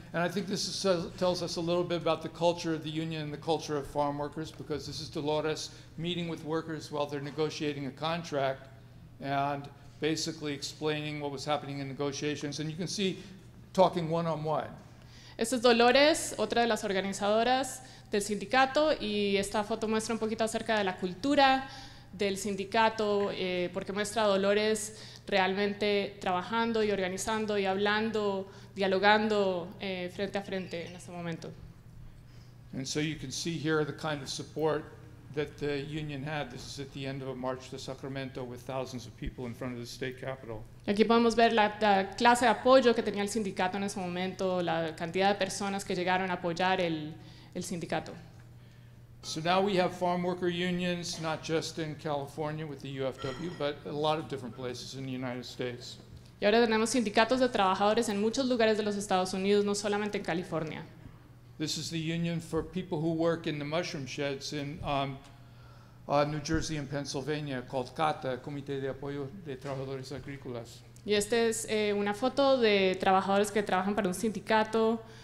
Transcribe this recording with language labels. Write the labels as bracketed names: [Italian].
[English] And I think this tells us a little bit about the culture of the union and the culture of farm workers, because this is Dolores meeting with workers while they're negotiating a contract and basically explaining what was happening in negotiations. And you can see talking one-on-one. [Spanish] Esta es Dolores, otra de las organizadoras del sindicato, y esta foto muestra un poquito acerca de la cultura del sindicato, porque muestra a Dolores realmente trabajando y organizando y hablando, dialogando frente a frente en ese momento. [English] And so you can see here the kind of support that the union had. This is at the end of a march to Sacramento with thousands of people in front of the state capitol. [Spanish] Aquí podemos ver la clase de apoyo que tenía el sindicato en ese momento, la cantidad de personas que llegaron a apoyar el sindicato. [English] So now we have farm worker unions, not just in California with the UFW, but a lot of different places in the United States. [Spanish] Y ahora tenemos sindicatos de trabajadores en muchos lugares de los Estados Unidos, no solamente en California. [English] This is the union for people who work in the mushroom sheds in New Jersey and Pennsylvania, called CATA, [Spanish] Comité de Apoyo de Trabajadores Agrícolas. Y esta es una foto de trabajadores que trabajan para un sindicato.